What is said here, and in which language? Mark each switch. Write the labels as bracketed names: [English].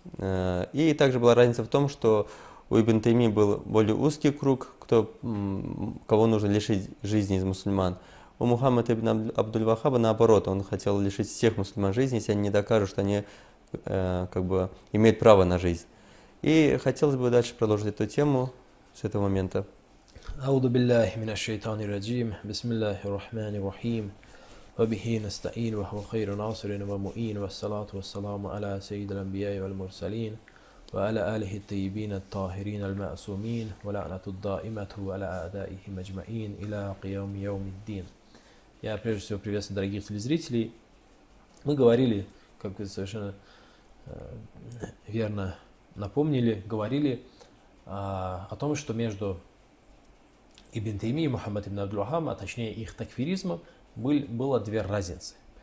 [Russian] И также была разница в том, что у Ибн Тайми был более узкий круг, кого нужно лишить жизни из мусульман. У Мухаммада ибн Абдул-Вахаба наоборот, он хотел лишить всех мусульман жизни, если они не докажут, что они имеют право на жизнь. И хотелось бы дальше продолжить эту тему с этого момента. [Arabic] أعوذ بالله من الشيطان الرجيم بسم الله الرحمن الرحيم وبه نستعين وهو خير ناصر ومؤين والصلاة والسلام على سيد الأنبياء والمرسلين وعلى آله الطيبين الطاهرين المعصومين ولعنة الدائمة على أعدائه مجمعين إلى قيام يوم الدين. [Russian] Я прежде всего приветствую дорогих телезрителей. Мы говорили, как вы совершенно верно напомнили, говорили о том, что между Ибн Тайми и Мухаммад ибн Абдул-Вахаб, а точнее их такфиризмом, было две разницы.